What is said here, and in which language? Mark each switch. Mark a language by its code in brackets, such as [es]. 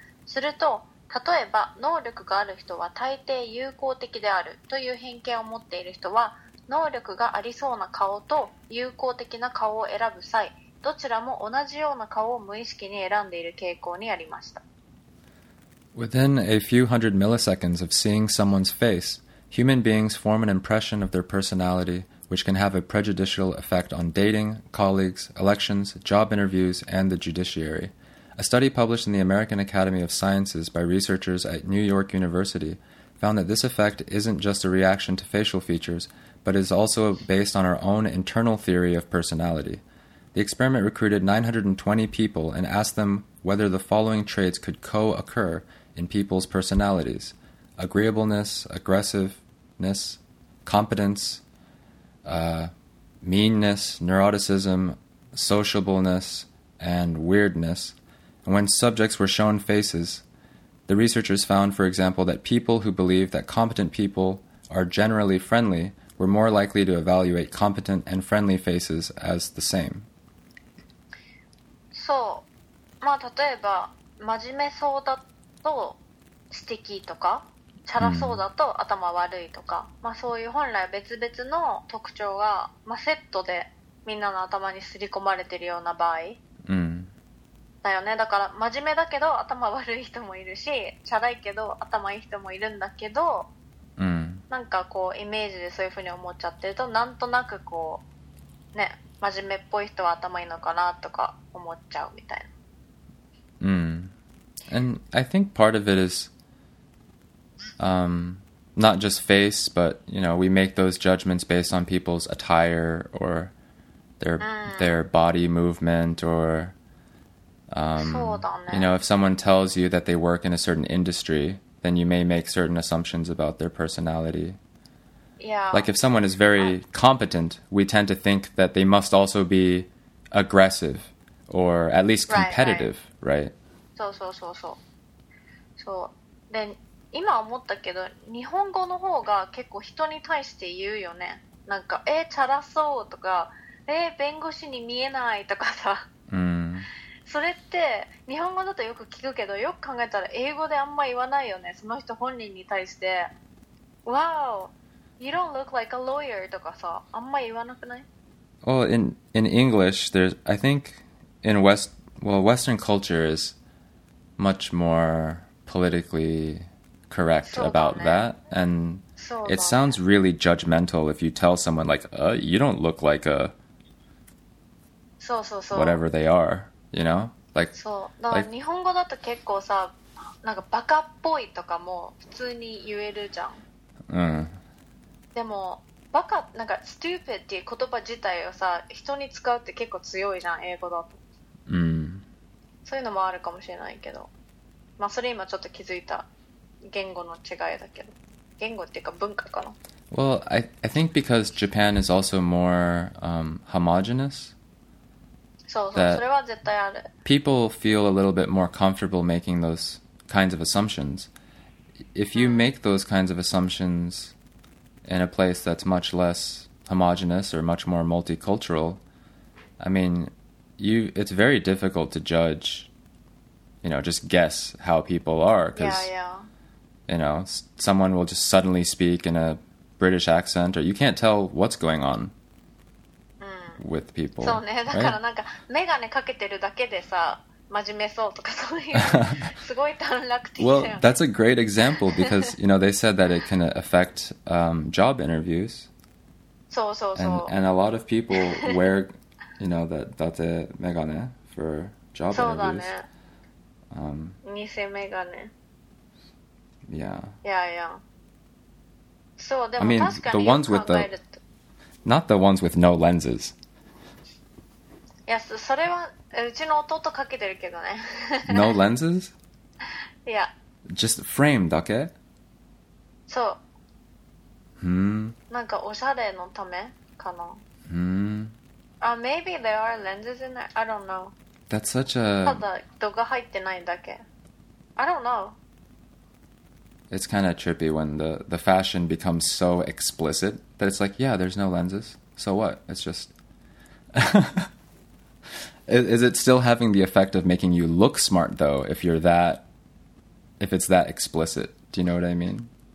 [ja] すると、例えば能力がある人は大抵友好的であるという偏見を持っている人は、能力がありそうな顔と友好的な顔を選ぶ際、どちらも同じような顔を無意識に選んでいる傾向にありました。 [en] Within a few hundred milliseconds of seeing someone's face, human beings form an impression of their personality which can have a prejudicial effect on dating, colleagues, elections, job interviews, and the judiciary. A study published in the American Academy of Sciences by researchers at New York University found that this effect isn't just a reaction to facial features, but is also based on our own internal theory of personality. The experiment recruited 920 people and asked them whether the following traits could co-occur in people's personalities: agreeableness, aggressiveness, competence, meanness, neuroticism, sociableness, and weirdness. When subjects were shown faces, the researchers found, for example, that people who believe that competent people are generally friendly were more likely to evaluate competent and friendly faces as the same. [ja] そう、まあ例えば真面目そうだと素敵とか、チャラそうだと頭悪いとか、まあそういう本来別々の特徴が、まあ、セットでみんなの頭に刷り込まれているような場合。だよね。だから真面目だけど頭悪い人もいるし、チャラいけど頭いい人もいるんだけど、うん、なんかこうイメージでそういう風に思っちゃってると、なんとなくこうね、真面目っぽい人は頭いいのかなとか思っちゃうみたいな。うん。 [en] And I think part of it is not just face, but you know, we make those judgments based on people's attire or their body movement or [ja] ね、 [en] you know, if someone tells you that they work in a certain industry, then you may make certain assumptions about their personality. Yeah. Like if someone is very competent, we tend to think that they must also be aggressive or at least competitive, right? [ja] そう。で、今思ったけど、日本語の方が結構人に対して言うよね。なんか、チャラそうとか、弁護士に見えないとかさ。うん。それって日本語だとよく聞くけど、よく考えたら英語であんま言わないよね、その人本人に対して。 [en] Wow, you don't look like a lawyer [ja] とかさ、あんま言わなくない？ [en] Well, in English, there's, I think in West, well, Western culture is much more politically correct about that, and it sounds really judgmental if you tell someone like, you don't look like a whatever they are, you know? Like, [ja] そう、だから日本語だと結構さ、なんかバカっぽいとかも普通に言えるじゃん。うん。でもバカ、なんか stupid っていう言葉自体をさ、人に使うって結構強いじゃん、英語だと。うん。そういうのもあるかもしれないけど、まあそれ今ちょっと気づいた言語の違いだけど、言語っていうか文化かな。 [en] Well, I think because Japan is also more homogeneous. That people feel a little bit more comfortable making those kinds of assumptions. If you make those kinds of assumptions in a place that's much less homogenous or much more multicultural, I mean, it's very difficult to judge, you know, just guess how people are. Because, you know, someone will just suddenly speak in a British accent, or you can't tell what's going on. With people, [ja] そうね、だからなんか、 [en] right? [ja] メガネかけてるだけでさ、真面目そうとかそういうすごい短絡的だよね。 [en] Well, that's a great example because, you know, they said that it can affect job interviews. [ja] そうそうそう。 [en] And a lot of people wear, you know, that メガネ for job interviews. [ja] そうだね。偽メガネ。 [en] Yeah. Yeah, yeah. [ja] そう、でも確かに、 [en] the ones with the, not the ones with no lenses. [ja] いや、それはうちの弟かけてるけどね。 [en] No lenses? [ja] いや。 [en] Just frame だけ？ [ja] そう。 Hmm. なんかおしゃれのためかな。 Hmm. [en] Maybe there are lenses in there. I don't know. That's such a... [ja] ただ度が入ってないだけ。 [en] I don't know. It's kind of trippy when the fashion becomes so explicit that it's like, yeah, there's no lenses. So what? It's just... Is it still having the effect of making you look smart, though, if it's that explicit? Do you know what I mean?